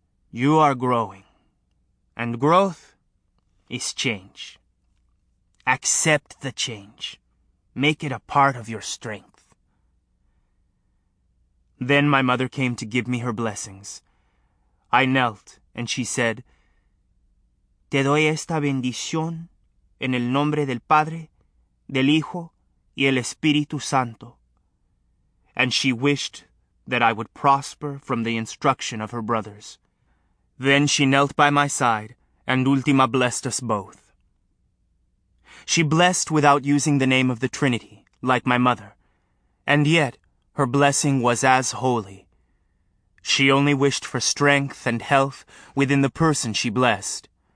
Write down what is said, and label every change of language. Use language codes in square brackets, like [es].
[en] You are growing, and growth is change. Accept the change. Make it a part of your strength. Then my mother came to give me her blessings. I knelt, and she said, [es] Te doy esta bendición en el nombre del Padre, del Hijo, y el Espíritu Santo. [en] And she wished that I would prosper from the instruction of her brothers. Then she knelt by my side, and Ultima blessed us both. She blessed without using the name of the Trinity, like my mother. And yet, her blessing was as holy. She only wished for strength and health within the person she blessed.